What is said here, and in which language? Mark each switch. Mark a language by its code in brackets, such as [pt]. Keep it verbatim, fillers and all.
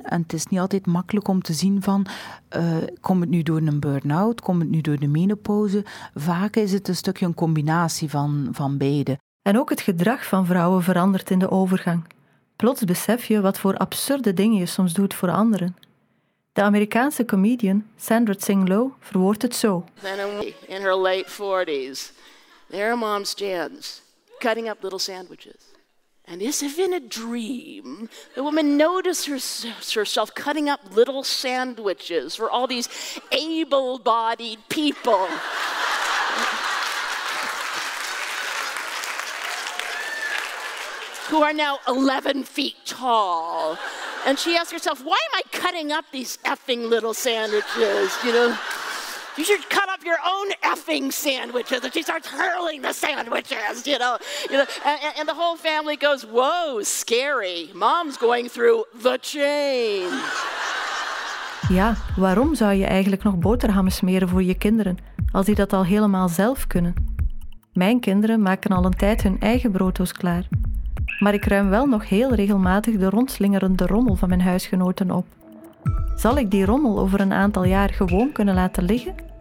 [nl] En het is niet altijd makkelijk om te zien van, uh, komt het nu door een burn-out, komt het nu door de menopauze? Vaak is het een stukje een combinatie van, van beide. En ook het gedrag van vrouwen verandert in de overgang. Plots besef je wat voor absurde dingen je soms doet voor anderen. De Amerikaanse comedian Sandra Singh Low verwoordt het zo. [en] In her late forties, there her mom stands, cutting up little sandwiches. And as if in a dream, the woman noticed herself cutting up little sandwiches for all these able-bodied people. who are now eleven feet tall. And she asked herself, why am I cutting up these effing little sandwiches, you know? You should cut up your own effing sandwiches. And she starts hurling the sandwiches, you know. You know and, and the whole family goes, whoa, scary. Mom's going through the change. [nl] Ja, waarom zou je eigenlijk nog boterhammen smeren voor je kinderen, als die dat al helemaal zelf kunnen? Mijn kinderen maken al een tijd hun eigen brooddoos klaar. Maar ik ruim wel nog heel regelmatig de rondslingerende rommel van mijn huisgenoten op. Zal ik die rommel over een aantal jaar gewoon kunnen laten liggen?